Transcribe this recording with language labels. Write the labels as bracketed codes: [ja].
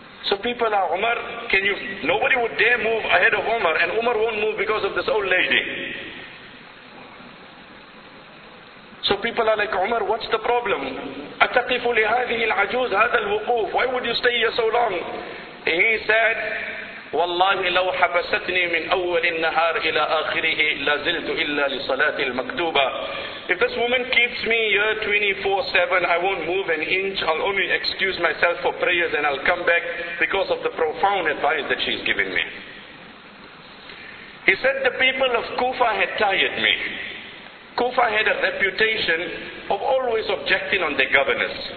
[en] So people are, Umar, can you, nobody would dare move ahead of Umar, and Umar won't move because of this old lady. So people are like, Umar, what's the problem? [ar] أَتَقِفُ لِهَذِهِ الْعَجُوزِ هَذَا الْوُقُوفِ. [en] Why would you stay here so long? He said, [ar] وَاللَّهِ لَوْ حَبَسَتْنِي مِنْ أَوَّلِ النَّهَارِ إِلَىٰ آخِرِهِ لَزِلْتُ إِلَّا لِصَلَاةِ الْمَكْتُوبَةِ. [en] If this woman keeps me here 24/7, I won't move an inch. I'll only excuse myself for prayers and I'll come back because of the profound advice that she's given me. He said, the people of Kufa had tired me. Kufa had a reputation of always objecting on their governors.